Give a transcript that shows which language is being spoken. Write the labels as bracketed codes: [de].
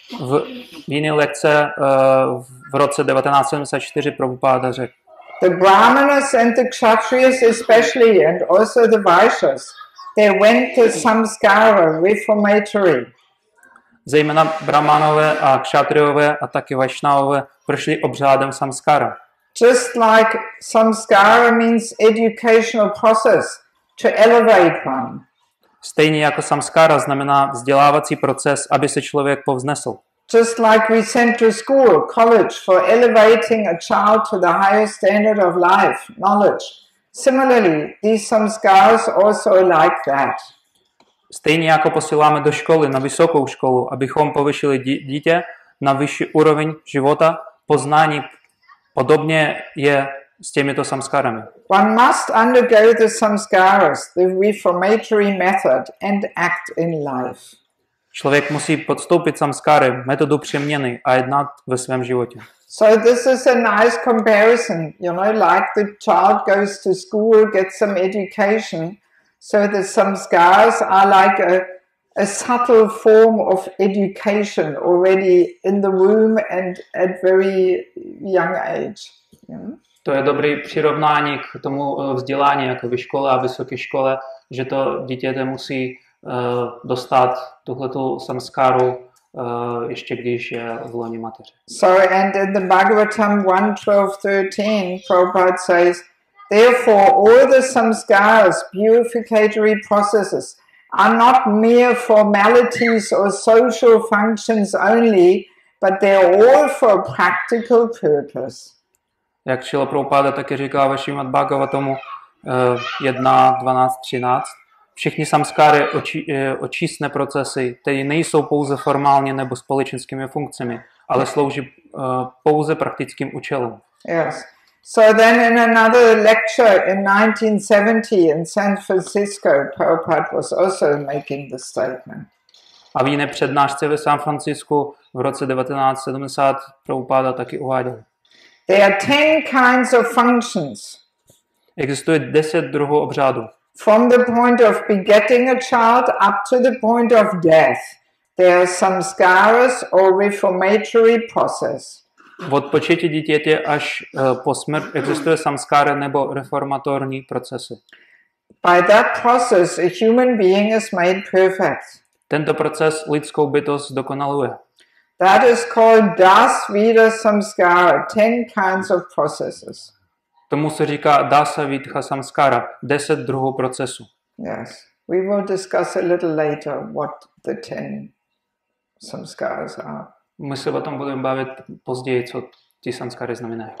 [cs] V jiné lekce v roce 1974 Prabhupada řekl. [en] The Brahmanas and the Kshatriyas especially, and also the Vaishyas, they went to Samskara reformatory. [cs] Zejména Brahmanové a Kshatriyové a taky Vaishnavové prošli obřádem Samskara. [en] Just like samskara means educational process to elevate one. [cs] Stejně jako samskara znamená vzdělávací proces, aby se člověk povznesl. [en] Just like we send to school, college for elevating a child to the highest standard of life, knowledge. Similarly, these samskaras also like that. [cs] Stejně jako posíláme do školy na vysokou školu, abychom povýšili dítě na vyšší úroveň života, poznání. Podobně je s těmito samskarami. [en] One must undergo the samskaras, the reformatory method, and act in life. [cs] Člověk musí podstoupit samskary, metodu přeměny, a jednat ve svém životě. [en] So this is a nice comparison, you know, like the child goes to school, gets some education, so the samskaras are like a subtle form of education already in the womb and at very young age. [cs] To je dobrý přirovnání k tomu vzdělání jako ve škole a vysoké škole, že to dítě musí dostat tuhletu samskáru ještě když je v loni mateře. [en] So and in the Bhagavatam 1.12.13 Prabhupada says, therefore all the samskaras, purificatory processes, are not mere formalities or social functions only, but they are all for a practical purpose. [cs] Jak Srila Prabhupada také říká ve Srimad Bhagavatamu 1.12.13, všichni samskáry očistné procesy, tedy nejsou pouze formálně nebo společenskými funkcemi, ale slouží pouze praktickým účelům. [en] Yes. So then in another lecture in 1970 in San Francisco, Prabhupada was also making this statement. [cs] A v jiné přednášce ve San Francisco v roce 1970 Prabhupada taky uváděl. [en] There are 10 kinds of functions. [cs] Existuje 10 druhů obřádů. [en] from the point of begetting a child up to the point of death, there are samskaras or reformatory process. [cs] Od početí dítěte až po smrt existuje samskára nebo reformatorní procesy. [en] By that process, a human being is made perfect. [cs] Tento proces lidskou bytost dokonaluje. [en] That is called das vidha samskara, 10 kinds of processes. [cs] Tomu se říká dasa vidha samskara, 10 druhů procesů. [en] Yes, we will discuss a little later what the 10 samskaras are. [cs] My se o tom budeme bavit později, co ty samskáry znamenají.